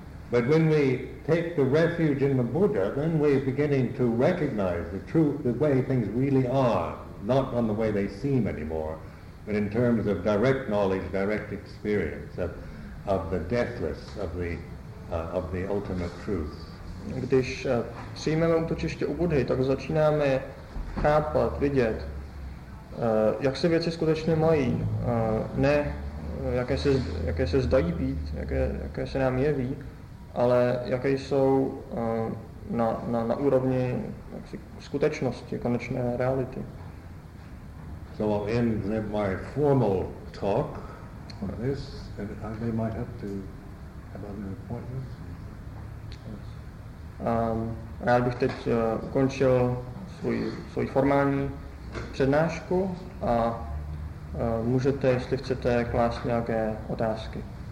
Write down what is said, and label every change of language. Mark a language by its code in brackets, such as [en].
[en] But when we take the refuge in the Buddha, then we're beginning to recognize the truth, the way things really are, not on the way they seem anymore, but in terms of direct knowledge, direct experience of the deathless, of the ultimate truth. [cs] Když přijmeme útočiště u Buddhy, tak začínáme chápat, vidět, jak se věci skutečně mají, ne jaké se zdají být, jaké se nám jeví, ale jaké jsou na úrovni jaksi, skutečnosti, konečné reality. [en] So I'll end my formal talk on this, and I may might have to have other appointments. [cs] Rád bych teď ukončil svůj formální přednášku a můžete, jestli chcete, klást nějaké otázky.